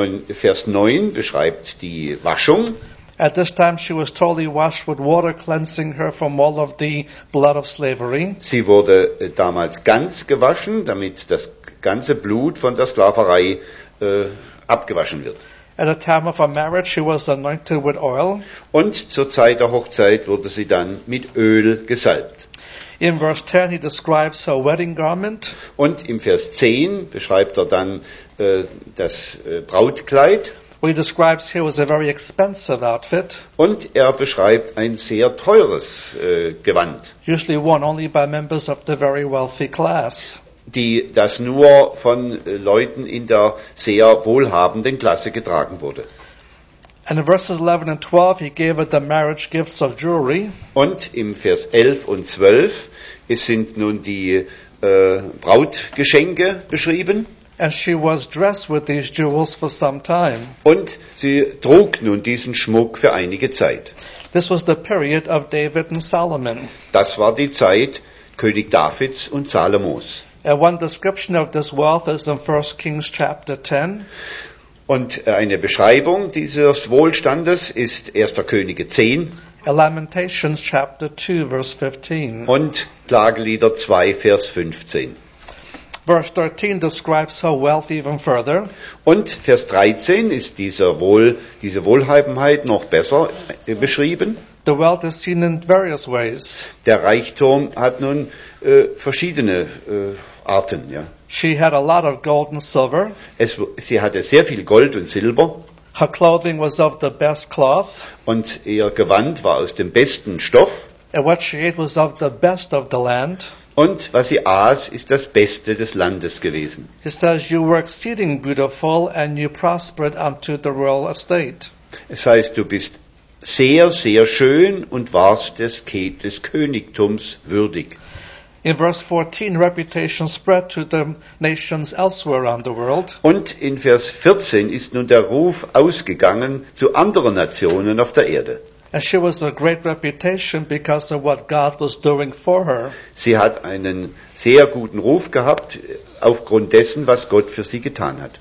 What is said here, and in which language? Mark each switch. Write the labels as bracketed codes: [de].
[de] Vers 9 beschreibt die Waschung. [en] At this time she was totally washed with water, cleansing her from all of the blood of slavery. [de] Sie wurde damals ganz gewaschen, damit das ganze Blut von der Sklaverei abgewaschen wird. [en] At the time of her marriage she was anointed with oil. [de] Und zur Zeit der Hochzeit wurde sie dann mit Öl gesalbt. [en] In verse 10 he describes her wedding garment. [de] Und im Vers 10 beschreibt er dann das Brautkleid. [en] What he describes here was a very expensive outfit. [de] Und er beschreibt ein sehr teures Gewand. [en] Usually worn only by members of the very wealthy class. [de] Das nur von Leuten in der sehr wohlhabenden Klasse getragen wurde. [en] And in verses 11 and 12 he gave her the marriage gifts of jewelry. [de] Und im Vers 11 und 12 es sind nun die Brautgeschenke beschrieben. [en] And she was dressed with these jewels for some time. [de] Und sie trug nun diesen Schmuck für einige Zeit. [en] This was the period of David and Solomon. [de] Das war die Zeit König Davids und Salomos. [en] And one description of this wealth is in 1 Kings chapter 10. [de] Und eine Beschreibung dieses Wohlstandes ist 1. Könige 10. [en] Lamentations chapter 2, verse 15. [de] Und Klagelieder 2, Vers 15. [en] Verse 13 describes her wealth even further. [de] Und Vers 13 ist diese Wohlhabenheit noch besser beschrieben. [en] The wealth is seen in various ways. [de] Der Reichtum hat nun verschiedene Arten, ja. [en] She had a lot of gold and silver. [de] Sie hatte sehr viel Gold und Silber. [en] Her clothing was of the best cloth. [de] Und ihr Gewand war aus dem besten Stoff. [en] And what she ate was of the best of the land. [de] Und was sie aß, ist das Beste des Landes gewesen. [en] He says, you were exceeding beautiful and you prospered unto the royal estate. [de] Es heißt, du bist sehr, sehr schön und warst des Königtums würdig. [en] In verse 14, reputation spread to the nations elsewhere around the world. [de] Und in Vers 14 ist nun der Ruf ausgegangen zu anderen Nationen auf der Erde. [en] And she was a great reputation because of what God was doing for her. [de] Sie hat einen sehr guten Ruf gehabt aufgrund dessen, was Gott für sie getan hat.